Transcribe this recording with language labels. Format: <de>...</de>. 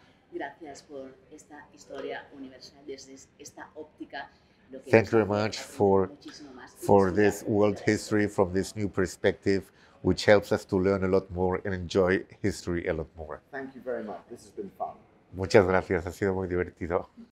<es>Gracias por esta historia universal desde esta óptica.</es> <en>Thank you very much for this world history from this new perspective, which helps us to learn a lot more and enjoy history a lot more. Thank you very much. This has been fun.</en> <es>Muchas gracias. Ha sido muy divertido.</es>